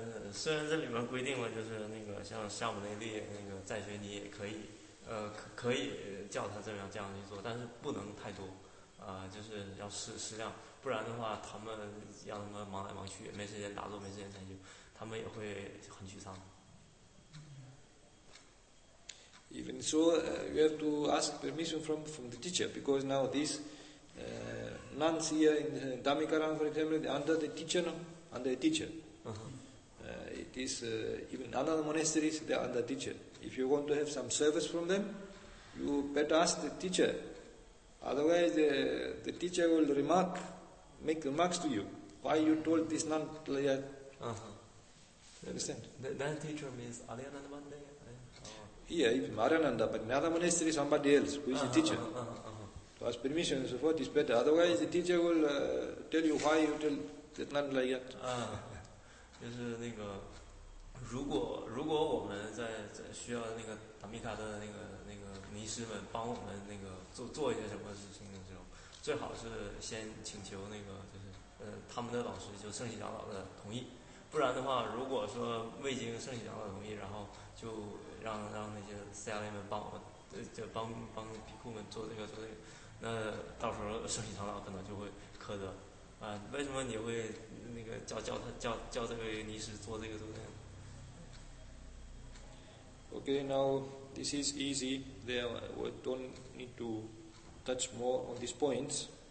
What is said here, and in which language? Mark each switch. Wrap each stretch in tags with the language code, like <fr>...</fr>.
<zh>虽然这里面规定了，就是那个像夏姆内利那个在学，你也可以，可以叫他这样去做，但是不能太多，就是要适量，不然的话，他们让他们忙来忙去，没时间打坐，没时间禅修，他们也会很沮丧。</zh> <en>Even so, you have to ask permission from the teacher, because now these nuns here in Dhammikaran, for example, under the teacher, no? Under the teacher.、 Uh-huh. It is even another monasteries, they are under teacher. If you want to have some service from them, you better ask the teacher. Otherwise, the teacher will make remarks to you. Why you told this nun like that? Uh-huh. Understand? That teacher means Aryananda one day? Yeah, even Aryananda, but another monastery is somebody else who is uh-huh. a teacher. Uh-huh. To ask permission and so forth is better. Otherwise, the teacher will tell you why you tell that nun like that. Uh-huh.</en> <zh>就是那个，如果我们在需要那个达米卡的那个尼师们帮我们那个做一些什么事情的时候，最好是先请求那个就是他们的老师就圣喜长老的同意，不然的话，如果说未经圣喜长老同意，然后就让那些斯亚雷们帮我就帮比库们做这个，那到时候圣喜长老可能就会苛责。为什么你会那个叫这个尼师做这个东西</zh> <en>？Okay, now this is easy. There, we don't need to touch more on these points.</en>